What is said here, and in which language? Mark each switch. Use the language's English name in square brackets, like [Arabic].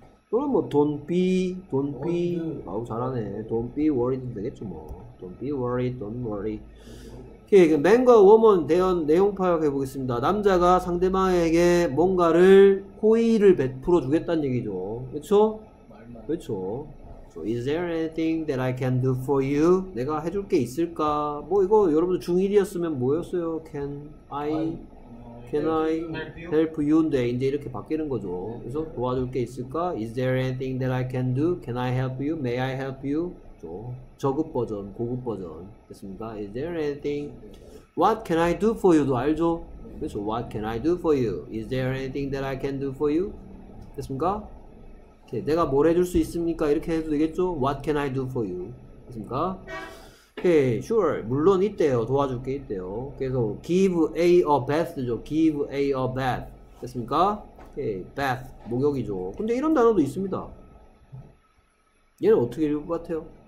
[Korean] 또는 뭐 [English] Don't be. [Korean] 아우 잘하네. [English] Don't be worried [Korean] 되겠죠 뭐. [English] Don't worry. [Korean] 그 맨과 워먼 대연 내용 파악해 보겠습니다. 남자가 상대방에게 뭔가를 호의를 베풀어 주겠다는 얘기죠. 그렇죠? 그렇죠. [English] So, is there anything that I can do for you? [Korean] 내가 해줄 게 있을까? 뭐 이거 여러분들 중1이었으면 뭐였어요? [English] Can I help you? [Korean] 근데 이제 이렇게 바뀌는 거죠. 그래서 도와줄 게 있을까? [English] Is there anything that I can do? Can I help you? May I help you? [Korean] 저급 버전, 고급 버전 됐습니다. [English] Is there anything? What can I do for you? [Korean] 도 알죠? 그래서 [English] What can I do for you? Is there anything that I can do for you? [Korean] 됐습니까? 오케이. 내가 뭘 해줄 수 있습니까? 이렇게 해도 되겠죠? [English] What can I do for you? [Korean] 됐습니까? 오케이. Sure. 물론 있대요. 도와줄 게 있대요. 그래서 Give A a bath죠. [English] Give A a bath [Korean] 됐습니까? 오케이. [English] Bath [Korean] 목욕이죠. 근데 이런 단어도 있습니다. 얘는 어떻게 읽을 것 같아요?